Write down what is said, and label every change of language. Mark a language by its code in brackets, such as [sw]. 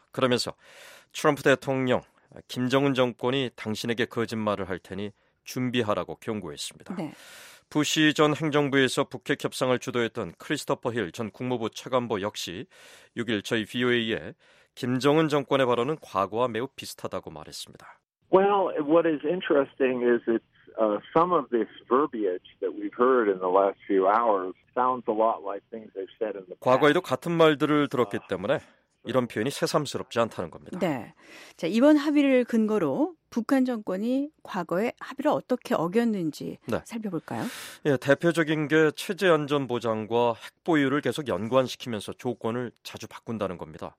[ko] 그러면서 트럼프 대통령, 김정은 정권이 당신에게 거짓말을 할 테니 준비하라고 경고했습니다. 네. 부시 전 행정부에서 북핵 협상을 주도했던 크리스토퍼 힐 전 국무부 차관보 역시 6일 저희 VOA에 김정은 정권의 발언은 과거와 매우 비슷하다고 말했습니다. [en] Well, what is interesting is it's some of this verbiage that we've heard in the last few hours sounds a lot like things they've said in the past. [ko] 과거에도 같은 말들을 들었기 때문에 이런 표현이 새삼스럽지 않다는 겁니다. 네. 자, 이번 합의를 근거로 북한 정권이 과거에 합의를 어떻게 어겼는지 네. 살펴볼까요? 예, 대표적인 게 체제 안전 보장과 핵 보유를 계속 연관시키면서 조건을 자주 바꾼다는 겁니다.